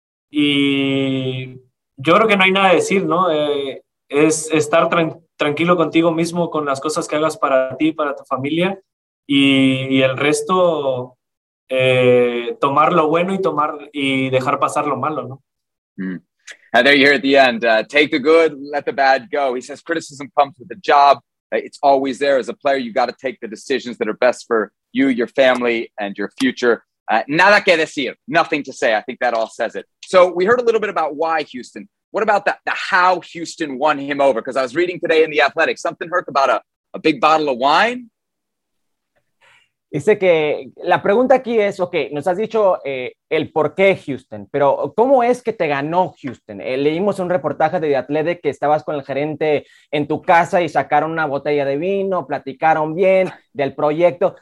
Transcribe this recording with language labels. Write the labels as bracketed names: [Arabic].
[Spanish] Y yo creo que no hay nada que decir, ¿no? Es estar tranquilo contigo mismo, con las cosas que hagas para ti, para tu familia. Y el resto, tomar lo bueno y dejar pasar lo malo, ¿no? [English] And there you hear at the end, take the good, let the bad go. He says criticism comes with the job. It's always there. As a player, you got to take the decisions that are best for you, your family, and your future. [Spanish] Nada que decir. [English] Nothing to say. I think that all says it. So we heard a little bit about why Houston. What about the how Houston won him over? Because I was reading today in The Athletic, something hurt about a big bottle of wine. [Spanish] Dice que la pregunta aquí es, ok, nos has dicho el por qué Houston, pero ¿cómo es que te ganó Houston? Leímos un reportaje de The Athletic que estabas con el gerente en tu casa y sacaron una botella de vino, platicaron bien del proyecto.